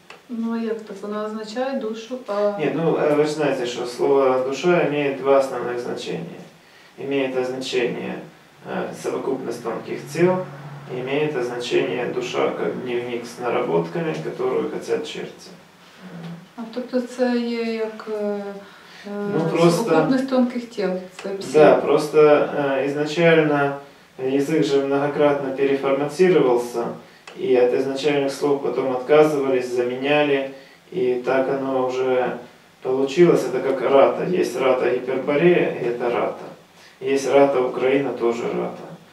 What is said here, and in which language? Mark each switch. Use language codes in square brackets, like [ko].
[uk] Ну, а як так? [ru] Она означает душу, а... Нет, ну, вы же знаете, что слово «душа» имеет два основных значения. Имеет значение совокупность тонких тел, имеет значение душа как дневник с наработками, которую хотят черти. [uk] А тобто це є як [ru] совокупность тонких тел? Да, просто изначально язык же многократно переформатировался, и от изначальных слов потом отказывались, заменяли, и так оно уже получилось. Это как рата. Есть рата Гиперборея, и это рата. Есть рата Украина, тоже рата.